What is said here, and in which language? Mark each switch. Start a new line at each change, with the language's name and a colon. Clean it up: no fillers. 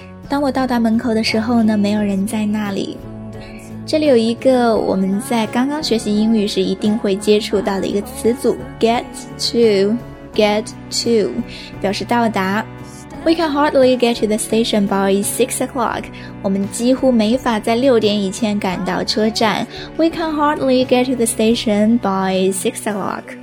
Chinese: 当我到达门口的时候呢，没有人在那里。这里有一个我们在刚刚学习英语时一定会接触到的一个词组 get to, 表示到达。
English: We can hardly get to the station by 6 o'clock.
Chinese: 我们几乎没法在六点以前赶到车站。
English: We can hardly get to the station by 6 o'clock.